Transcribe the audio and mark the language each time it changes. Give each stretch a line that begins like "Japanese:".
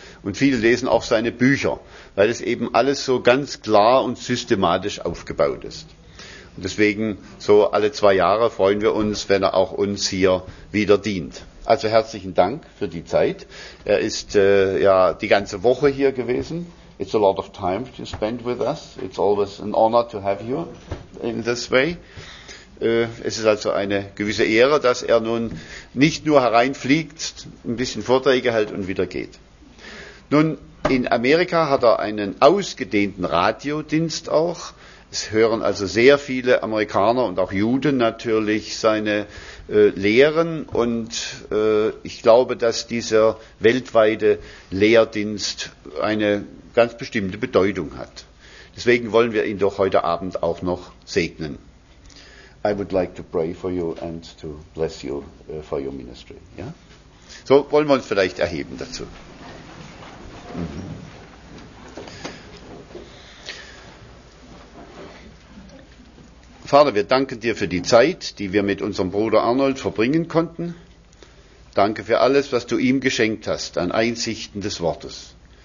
German: Und viele lesen auch seine Bücher, weil es eben alles so ganz klar und systematisch aufgebaut ist. Und deswegen, so alle zwei Jahre freuen wir uns, wenn er auch uns hier wieder dient. Also herzlichen Dank für die Zeit. Er ist die ganze Woche hier gewesen.
English: It's a lot of time to spend with us. It's always an honor to have you in this way.
German: Es ist also eine gewisse Ehre, dass er nun nicht nur hereinfliegt, ein bisschen Vorträge hält und wieder geht. Nun, in Amerika hat er einen ausgedehnten Radiodienst auch. Es hören also sehr viele Amerikaner und auch Juden natürlich seine Lehren. Und ich glaube, dass dieser weltweite Lehrdienst eine ganz bestimmte Bedeutung hat. Deswegen wollen wir ihn doch heute Abend auch noch segnen.
English: I would like to pray for you and to bless you for your ministry. Yeah?
German: So wollen wir uns vielleicht erheben dazu. Vater, wir danken dir für die Zeit, die wir mit unserem Bruder Arnold verbringen konnten. Danke für alles, was du ihm geschenkt hast an Einsichten des Wortes.